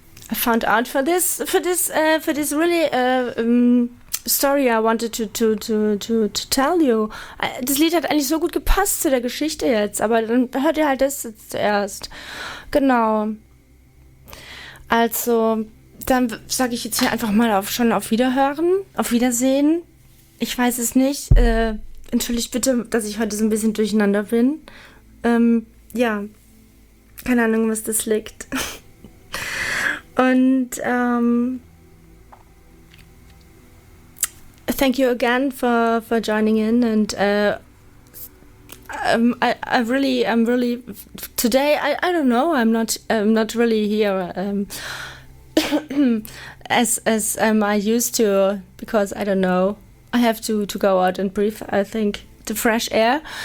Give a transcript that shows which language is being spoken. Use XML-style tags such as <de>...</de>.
<en>I found out for this really Story I wanted to tell you.</en> <de>Das Lied hat eigentlich so gut gepasst zu der Geschichte jetzt, aber dann hört ihr halt das jetzt zuerst. Genau. Also, dann sage ich jetzt hier einfach mal auf Wiederhören, auf Wiedersehen. Ich weiß es nicht. Entschuldigt bitte, dass ich heute so ein bisschen durcheinander bin. Ja. Keine Ahnung, was das liegt.</de> <en>Und, thank you again for joining in, and I'm really today I don't know, I'm not really here as I used to, because I don't know, I have to go out and breathe, I think, the fresh air.</en>